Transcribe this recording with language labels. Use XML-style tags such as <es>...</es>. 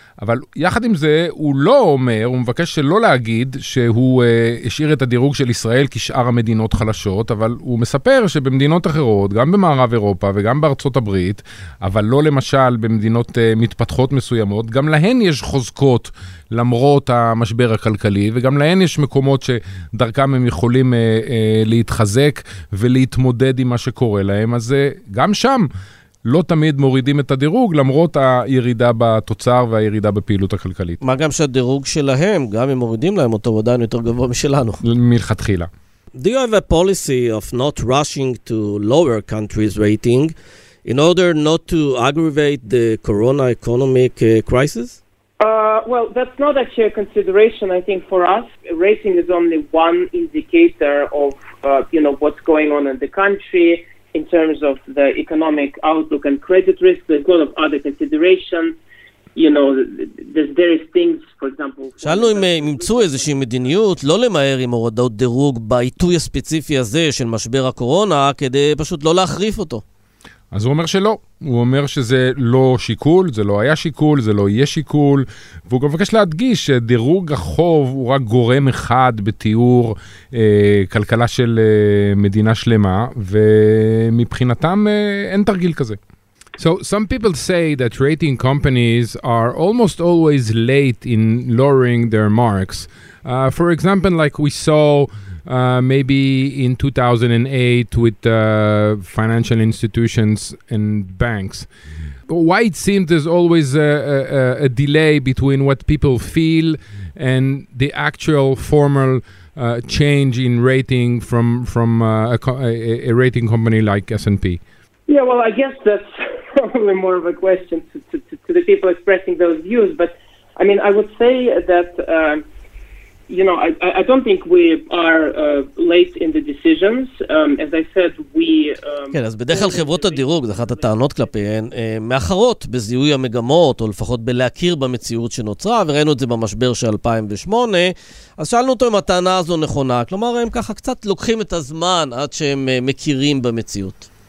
<he>אבל יחד עם זה הוא לא אומר, הוא מבקש שלא להגיד שהוא השאיר את הדירוג של ישראל כשאר המדינות חלשות, אבל הוא מספר שבמדינות אחרות, גם במערב אירופה וגם בארצות הברית, אבל לא למשל במדינות מתפתחות מסוימות, גם להן יש חוזקות למרות המשבר הכלכלי, וגם להן יש מקומות שדרכם הם יכולים להתחזק ולהתמודד עם מה שקורה להם, אז גם שם לא תמיד מורידים את הדירוג, למרות הירידה בתוצר והירידה בפעילות הכלכלית. מה גם שהדירוג שלהם, גם אם מורידים להם אותו, הוא עדיין יותר גבוה משלנו. מלכתחילה.</he> <en>Do you have a policy of not rushing to lower countries' rating in order not to aggravate the corona economic crisis? Well, that's not actually a consideration, I think, for us. Rating is only one indicator of, you know, what's going on in the country, in terms of the economic outlook and credit risk. There's a lot of other considerations. You know, there's things, for example...</en> <he>שאלנו אם ימצאו איזושהי מדיניות, לא למהר עם הורדות דירוג בעיתוי הספציפי הזה של משבר הקורונה, כדי פשוט לא להחריף אותו. אז הוא אומר שלא. הוא אומר שזה לא שיקול, זה לא היה שיקול, זה לא יהיה שיקול, והוא גם מבקש להדגיש שדירוג החוב הוא רק גורם אחד בתיאור כלכלה של מדינה שלמה, ומבחינתם אין תרגיל כזה.</he> <en>So some people say that rating companies are almost always late in lowering their marks. For example, like we saw maybe in 2008 with financial institutions and banks. But why it seems there's always a delay between what people feel and the actual formal change in rating from a rating company like S&P? Yeah, well, I guess that's probably more of a question to the people expressing those views. But, I mean, I would say that... you know, I don't think we are late in the decisions. As I said, we...</en> <he>כן, אז בדרך כלל חברות הדירוג, זו אחת הטענות כלפיהן, מאחרות בזיהוי המגמות, או לפחות בלהכיר במציאות שנוצרה, וראינו את זה במשבר של 2008, אז שאלנו אותו אם הטענה הזו נכונה. כלומר, הם ככה קצת לוקחים את הזמן עד שהם מכירים במציאות.</he>